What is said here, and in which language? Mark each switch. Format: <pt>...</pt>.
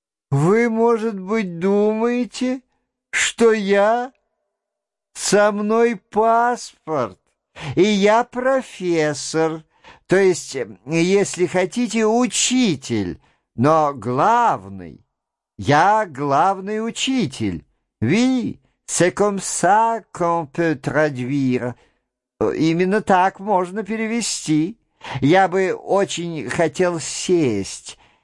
<ru>«Вы, может быть, думаете, что я? Со мной паспорт, и я профессор, то есть, если хотите, учитель, но главный. Я главный учитель. Ви?</ru> <fr>C'est comme ça qu'on peut traduire.</fr> <ru>Именно так можно перевести. Я бы очень хотел сесть.</ru>